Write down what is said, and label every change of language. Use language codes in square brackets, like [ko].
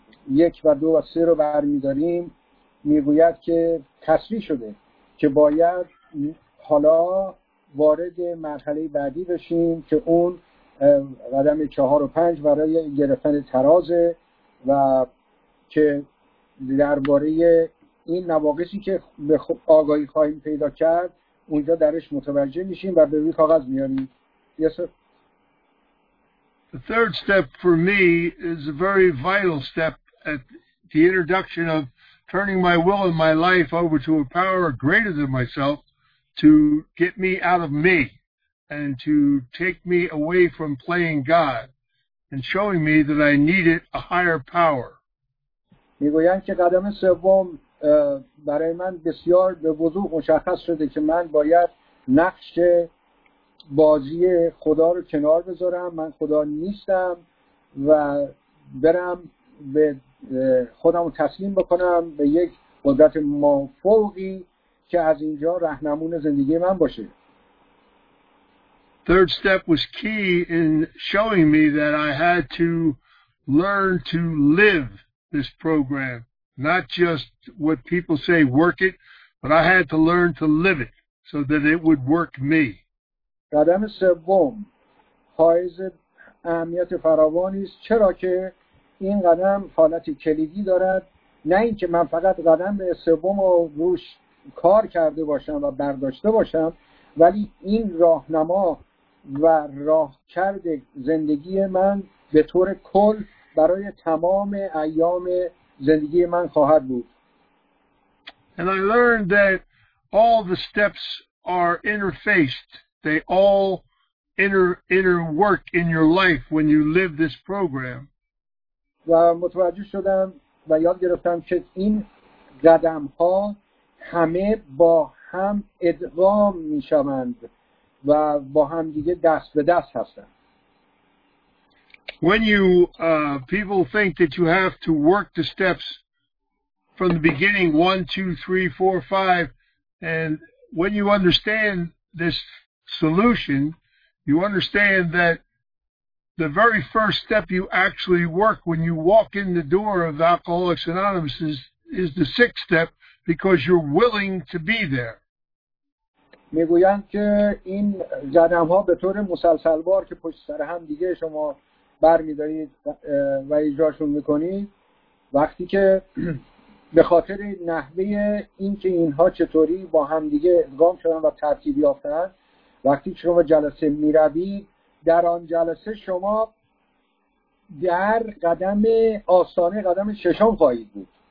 [fa] 1 و 2 و 3 رو برمی‌داریم، میگوید که تصریح شده که باید حالا وارد مرحله بعدی بشیم که اون قدم 4 و 5 برای گرفتن تراز و که درباره این نواقصی که به آگاهی خواهیم پیدا کرد اونجا درش متوجه میشیم و به روی کاغذ میاریم. [en] Yes, sir. The third step for me is a very vital step at the introduction of turning my will and my life over to a power greater than myself to get me out of me and to take me away from playing God and showing me that I needed a higher power. [fa] میگویند که قدم سوم برای من بسیار به وضوح مشخص شده که من باید نقش بازی خدا رو کنار بذارم. من خدا نیستم و برم به خودم رو تسلیم بکنم به یک قدرت مافوقی که از اینجا رهنمون زندگی من باشه. [en] Third step was key in showing me that I had to learn to live this program, not just what people say work it, but I had to learn to live it so that it would work me. [fa] قدم سوم حائز اهمیت فراوانی است، چرا که این قدم حالت کلیدی دارد، نه اینکه من فقط قدم سوم رو روش کار کرده باشم و برداشته باشم، ولی این راهنما و راه کرد زندگی من به طور کل برای تمام ایام زندگی من خواهد بود. [en] And I learned that all the steps are interfaced. They all interwork in your life when you live this program. [fa] و متوجه شدم و یاد گرفتم که این قدم ها همه با هم ادغام می شوند و با هم دیگه دست به دست هستند. [en] When you people think that you have to work the steps from the beginning, 1, 2, 3, 4, 5, and when you understand this solution, you understand that the very first step you actually work when you walk in the door of Alcoholics Anonymous is the sixth step, because you're willing to be there. [fa] میگویند که این قدم ها به طور مسلسل بار که پشت سر هم دیگه شما برمیدارید و اجراشون میکنید، وقتی که به خاطر نحوه این که اینها چطوری با هم دیگه ادغام شدن و ترتیب یافتن، وقتی که شما جلسه میروید، در آن جلسه شما در قدم آستانه قدم ششم خواهید بود.